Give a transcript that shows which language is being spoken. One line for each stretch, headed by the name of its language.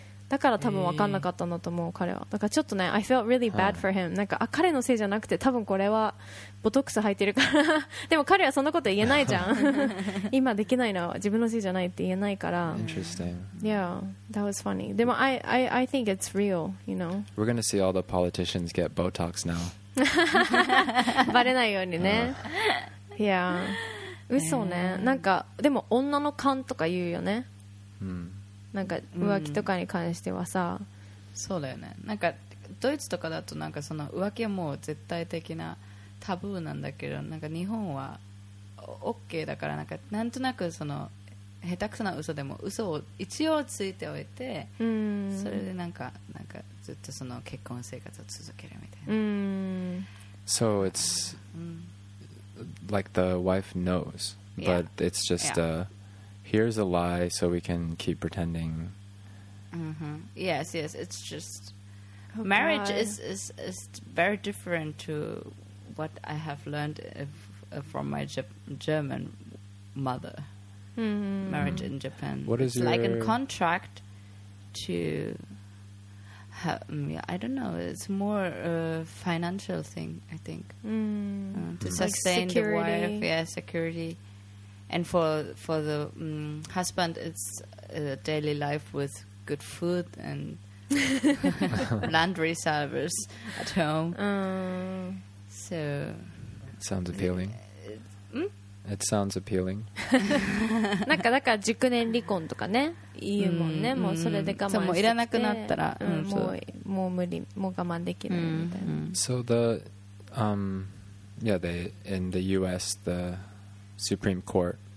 Japanese: だから多分分かんなかったのと思う彼は。だからちょっとね、
English: I felt really bad for him。
Japanese: なんか彼のせいじゃなくて多分これはボトックス入ってるから。でも彼はそんなこと言えないじゃん。今できないのは自分のせいじゃないって言えないから。
English: Interesting. Yeah, that was funny.
Japanese: でも
English: I think it's real, you know. We're gonna see all the politicians get Botox now.
Japanese: バレないようにね。Yeah. 嘘ね。なんかでも女の勘とか言うよね。なんか浮気とかに関してはさ、うん、そうだよね。なんかドイツとかだとなんかその浮気はもう絶対的なタブーなんだけど、なんか日本は OK だから、なんかなんとなくその下手くそな嘘でも嘘を一応ついておいて、うん、それでなんかずっとその結婚生活を続けるみたいな、うん、
English: So it's、うん、like the wife knows but yeah. it's just yeah. Here's a lie so we can keep pretending. Mm-hmm. Yes, yes. It's just... Oh, marriage is very different to what I have learned from my German mother. Mm-hmm. Marriage in Japan. What is it's your... like a contract to... I don't know. It's more a financial thing, I think. Mm-hmm. To sustain like security. The wife. Yeah, security. And for the husband, it's a daily life with good food and laundry service at home. So it sounds appealing. It sounds appealing.
Japanese: なんかだから熟年離婚とかね、言うもんね。もうそれで我慢して、もういらなくなったら、もう無理、もう我慢できないみたいな。
English: So the yeah, they in the U.S. the Supreme Court.